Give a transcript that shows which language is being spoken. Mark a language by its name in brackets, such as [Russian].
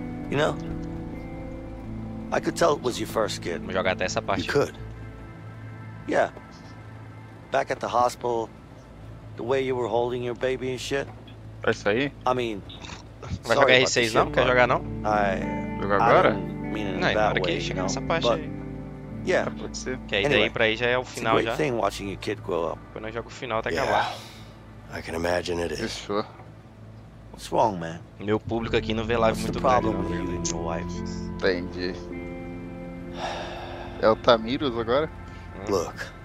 [English] You know, I could tell it was your first kid. [Portuguese] Vou jogar até essa parte. [English] You could. Yeah. Back at the hospital, the way you were holding your baby and shit. [Portuguese] É isso aí? [English] I mean, [Portuguese] vai jogar R6 não? Quer jogar não? Jogar agora? Não, é hora que chegar nessa parte aí. [English] Yeah. [Portuguese] Que aí daí pra aí já é o final já. [English] It's a great thing watching your kid grow up. [Portuguese] Quando eu jogo o final até acabar. [English] I can imagine it is. [Portuguese] Isso. [English] What's wrong, man? [Portuguese] Meu público aqui não vê live muito problema, bem. [English] Really, no wife. [Portuguese] Entendi. É o Tamiros agora? [English] Look.